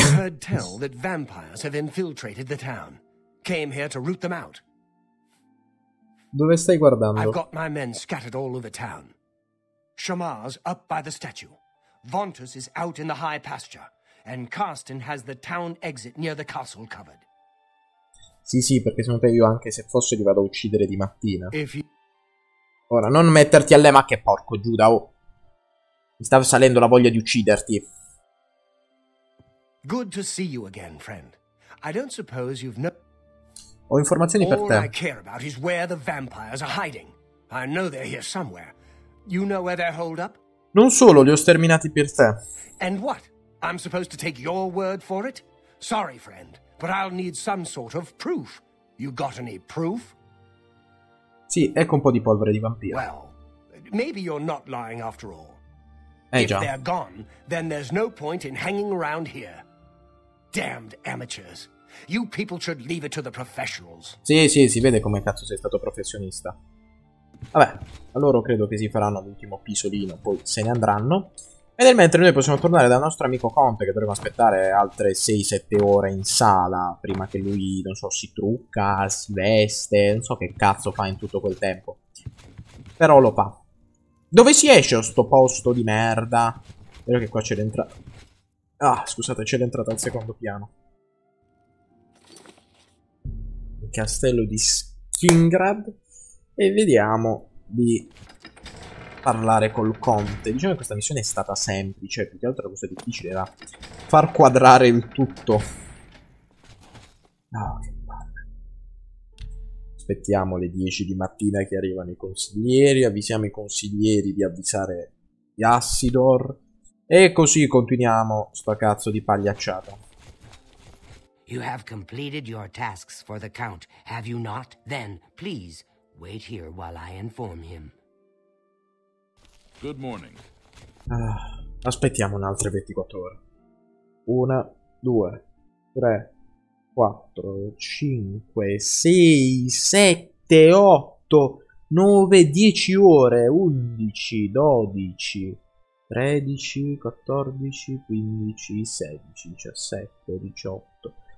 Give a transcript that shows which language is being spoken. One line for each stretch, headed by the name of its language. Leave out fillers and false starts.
English: heard tell that vampires have infiltrated the town. Came here to root them out.
Italian: Dove stai
English: I've
Italian: guardando?
English: got my men scattered all over town. Shamar's up by the statue. Vontus is out in the high pasture. and Karsten has the town exit near the castle covered.
Italian: Sì, sì, perché sono te, io anche se fosse li vado a uccidere di mattina. Ora, non metterti alle macchie, porco Giuda, oh. Mi sta salendo la voglia di ucciderti.
English: Good to see you again, friend. I don't suppose you've no...
Italian: Ho informazioni per te.
English: All I care about is where the vampires are hiding. I know they're here somewhere. You know where they're holed up?
Italian: Non solo, li ho sterminati per te.
English: And what? I'm supposed to take your word for it? Sorry, friend, but I'll need some sort of proof. You got any proof?
Italian: Sì, ecco un po' di polvere di vampiro.
English: Well, maybe you're not lying after all.
Italian: Già.
English: If they're gone, then there's no point in hanging around here. Damned amateurs. You people should leave it to the professionals.
Italian: Sì, sì, si vede come cazzo sei stato professionista. Vabbè, loro credo che si faranno l'ultimo pisolino, poi se ne andranno. E nel mentre noi possiamo tornare dal nostro amico Conte, che dovremo aspettare altre 6-7 ore in sala prima che lui, non so, si trucca, si veste, non so che cazzo fa in tutto quel tempo. Però lo fa. Dove si esce a sto posto di merda? Vedo che qua c'è l'entrata. Ah, scusate, c'è l'entrata al secondo piano. Il castello di Skingrad. E vediamo di parlare col conte. Diciamo che questa missione è stata semplice, più che altro la cosa difficile era far quadrare il tutto. Ah, che palle. Aspettiamo le 10 di mattina che arrivano i consiglieri, avvisiamo i consiglieri di avvisare gli Assidor e così continuiamo sto cazzo di pagliacciata.
English: You have completed your tasks for the count, have you not? Then please wait here while I inform him. Good morning.
Italian: Aspettiamo un'altra 24 ore. 1, 2, 3, 4, 5, 6, 7, 8, 9, 10 ore, 11, 12, 13, 14, 15, 16, 17, 18.